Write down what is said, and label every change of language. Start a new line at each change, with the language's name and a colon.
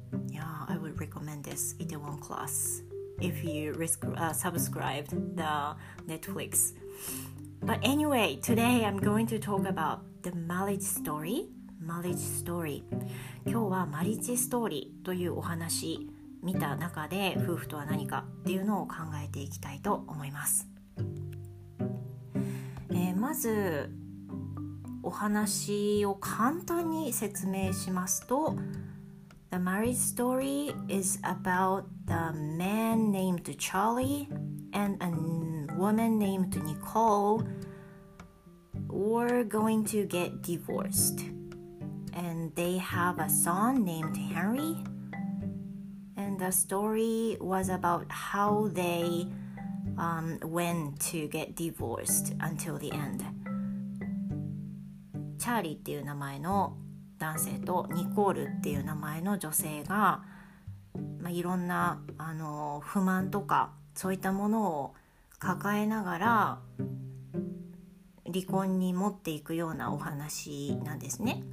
English: Yeah, I would recommend this Itaewon Class if you subscribe the Netflix. But anyway, today I'm going to talk about the Marriage Story. Marriage Story.
Japanese: 今日はマリッジストーリーというお話見た中で夫婦とは何かっていうのを考えていきたいと思います。まずお話を簡単に説明しますと。
English: The marriage story is about the man named Charlie and a woman named Nicole were going to get divorced. And they have a son named Henry. And the story was about how they went to get divorced until the end.
Japanese: チャーリーっていう名前の男性とニコールっていう名前の女性が、まあ、いろんな不満とかそういったものを抱えながら離婚に持っていくようなお話なんですね。